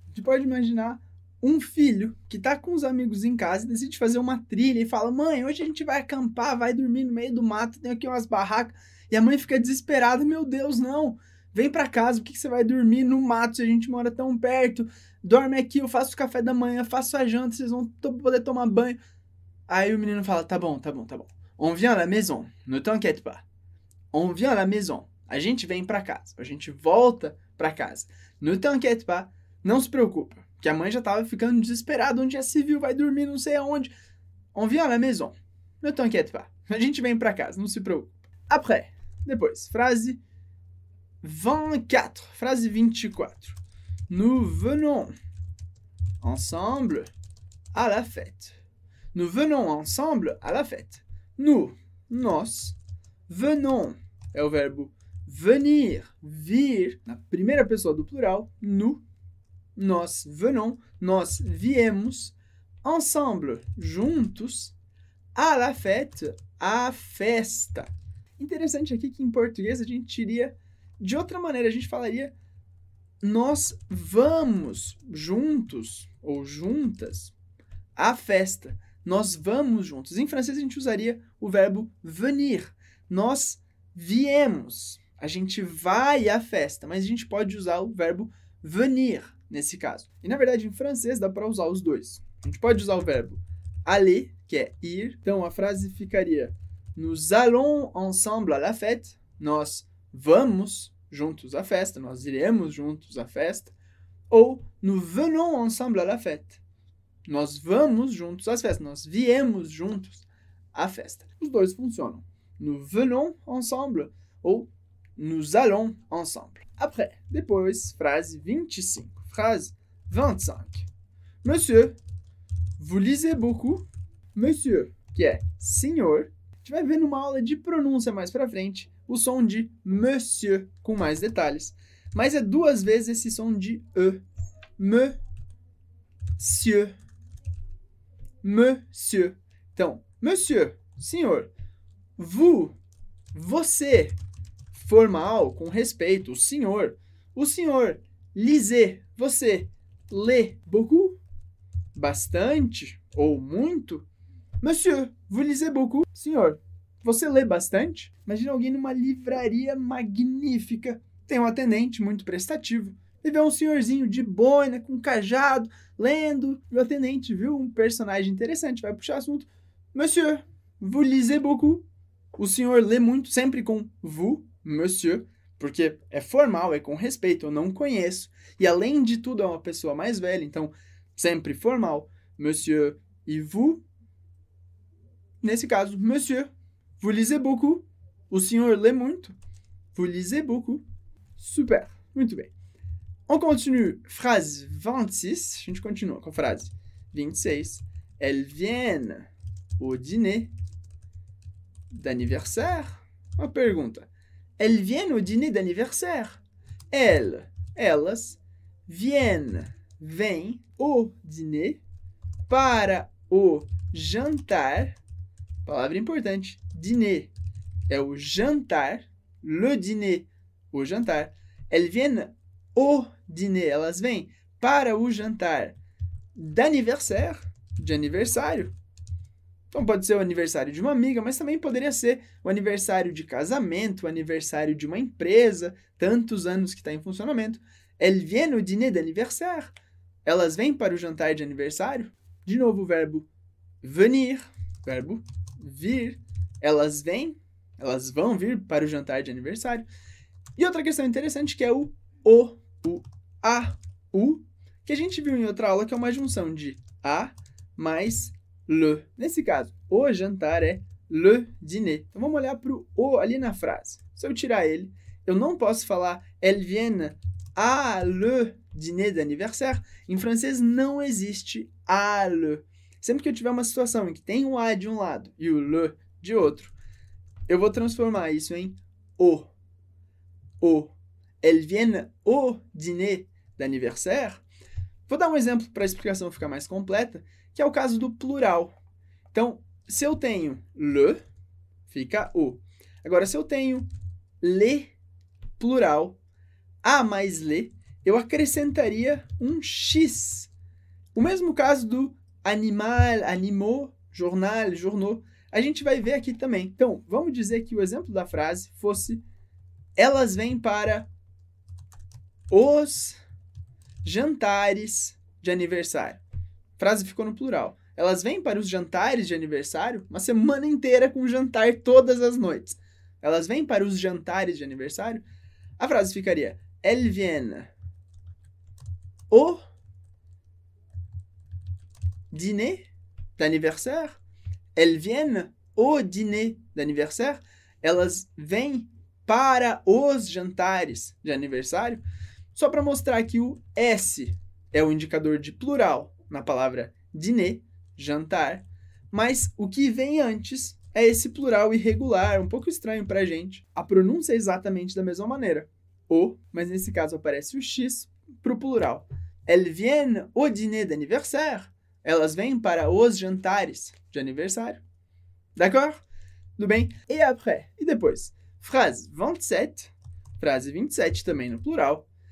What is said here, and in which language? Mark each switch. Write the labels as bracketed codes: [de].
[pt] Você pode imaginar um filho que tá com os amigos em casa e decide fazer uma trilha e fala: mãe, hoje a gente vai acampar, vai dormir no meio do mato, tem aqui umas barracas. E a mãe fica desesperada: meu Deus, não, vem pra casa, por que você vai dormir no mato se a gente mora tão perto? Dorme aqui, eu faço o café da manhã, faço a janta, vocês vão poder tomar banho. Aí o menino fala: tá bom, tá bom, tá bom. [fr] On vient à la maison, ne t'inquiète pas. On vient à la maison, [pt] a gente vem pra casa, a gente volta pra casa. [fr] Ne t'inquiète pas, [pt] não se preocupa. Que a mãe já estava ficando desesperada. Onde é civil? Vai dormir não sei aonde. [fr] On vient à la maison. Ne t'inquiète pas. [pt] A gente vem para casa, não se preocupe. [fr] Après, [pt] depois, frase 24. Frase 24. [fr] Nous venons ensemble à la fête. Nous venons ensemble à la fête. [pt] Nous, nós, venons, é o verbo venir, vir, na primeira pessoa do plural, nous. Nós venons, nós viemos, ensemble, juntos, [fr] à la fête, [pt] à festa. Interessante aqui que em português a gente diria de outra maneira, a gente falaria nós vamos juntos ou juntas à festa. Nós vamos juntos. Em francês a gente usaria o verbo venir. Nós viemos, a gente vai à festa, mas a gente pode usar o verbo venir. Nesse caso. E, na verdade, em francês, dá para usar os dois. A gente pode usar o verbo aller, que é ir. Então, a frase ficaria [fr] nous allons ensemble à la fête. [pt] Nós vamos juntos à festa. Nós iremos juntos à festa. [fr] Ou nous venons ensemble à la fête. [pt] Nós vamos juntos à festa. Nós viemos juntos à festa. Os dois funcionam. [fr] Nous venons ensemble ou nous allons ensemble. [pt] Après, depois, frase 25. [fr] Phrase 25. Monsieur, vous lisez beaucoup? [pt] Monsieur, que é senhor. A gente vai ver numa aula de pronúncia mais pra frente o som de monsieur com mais detalhes. Mas é duas vezes esse som de e. [fr] Monsieur. Monsieur. [pt] Então, monsieur, senhor. Vous, você, formal, com respeito, o senhor, lisez. Você lê beaucoup? Bastante ou muito? [fr] Monsieur, vous lisez beaucoup? [pt] Senhor, você lê bastante? Imagina alguém numa livraria magnífica. Tem um atendente muito prestativo. E vê um senhorzinho de boina, com cajado, lendo. E o atendente viu um personagem interessante, vai puxar assunto. [fr] Monsieur, vous lisez beaucoup? [pt] O senhor lê muito, sempre com vous, monsieur. Porque é formal, é com respeito, eu não conheço. E além de tudo, é uma pessoa mais velha, então sempre formal. [fr] Monsieur et vous? Nesse caso, monsieur, vous lisez beaucoup? [pt] O senhor lê muito? [fr] Vous lisez beaucoup? [pt] Super, muito bem. [fr] On continue, phrase 26. [pt] A gente continua com a frase 26. [fr] Elles viennent au dîner d'anniversaire? [pt] Uma pergunta. [fr] Elles viennent au dîner d'anniversaire. [pt] Elles, elas, viennent, vêm au dîner, para o jantar. Palavra importante, dîner, é o jantar, le dîner, o jantar. [fr] Elles viennent au dîner, [pt] elas vêm para o jantar [fr] d'anniversaire, [pt] de aniversário. Então pode ser o aniversário de uma amiga, mas também poderia ser o aniversário de casamento, o aniversário de uma empresa, tantos anos que está em funcionamento. [fr] Elles viennent au dîner d'anniversaire. [pt] Elas vêm para o jantar de aniversário. De novo, o verbo venir, verbo vir. Elas vêm, elas vão vir para o jantar de aniversário. E outra questão interessante que é o a, o, que a gente viu em outra aula, que é uma junção de a mais le. Nesse caso, o jantar é le dîner. Então, vamos olhar para o o ali na frase. Se eu tirar ele, eu não posso falar [fr] elles viennent à le dîner d'anniversaire. [pt] Em francês, não existe à le. Sempre que eu tiver uma situação em que tem o a de um lado e o le de outro, eu vou transformar isso em o. O. [fr] Elles viennent au dîner d'anniversaire. [pt] Vou dar um exemplo para a explicação ficar mais completa, que é o caso do plural. Então, se eu tenho le, fica o. Agora, se eu tenho le plural, a mais le, eu acrescentaria um x. O mesmo caso do animal, animaux, journal, journaux, a gente vai ver aqui também. Então, vamos dizer que o exemplo da frase fosse elas vêm para os jantares de aniversário. A frase ficou no plural. Elas vêm para os jantares de aniversário uma semana inteira com jantar todas as noites. Elas vêm para os jantares de aniversário. A frase ficaria [fr] elles viennent au dîner d'anniversaire. Elles viennent au dîner d'anniversaire. [pt] Elas vêm para os jantares de aniversário. Só para mostrar que o S é o indicador de plural na palavra dîner, jantar, mas o que vem antes é esse plural irregular, um pouco estranho para a gente. A pronúncia é exatamente da mesma maneira, o, mas nesse caso aparece o X para o plural. [fr] Elles viennent au dîner d'anniversaire. [pt] Elas vêm para os jantares de aniversário. [fr] D'accord? [pt] Tudo bem? [fr] Et après? [pt] E depois? [fr] Phrase 27, [pt] frase 27 também no plural.